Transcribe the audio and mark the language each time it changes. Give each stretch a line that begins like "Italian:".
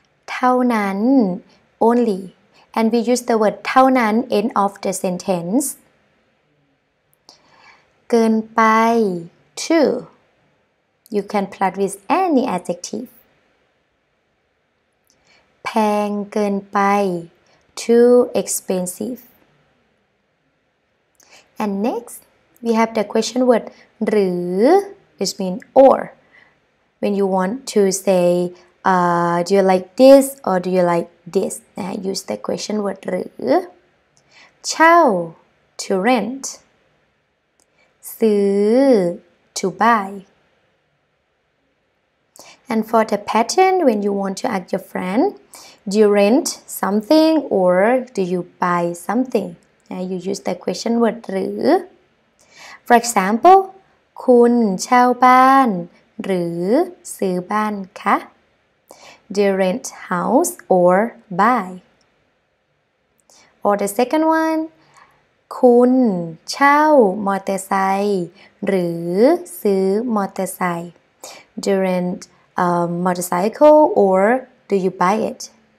English: เท่านั้น only and we use the word เท่านั้น end of the sentence เกินไป tooYou can plug with any adjective.
Thai: แพงเกินไป
English: too expensive. And next, we have the question word หรือ which means or. When you want to say, do you like this or do you like this? Use the question word หรือ เช่า to rent. ซื้อ to buyAnd for the pattern, when you want to ask your friend, do you rent something or do you buy something? You use the question word หรือ For example,
Thai: คุณเช่าบ้านหรือซื้อบ้านคะ
English: Do you rent house or buy? Or the second one,
Thai: คุณเช่ามอเตอร์ไซค์หรือซื้อมอเตอร์ไซค์
English: Do you rentA motorcycle or do you buy it?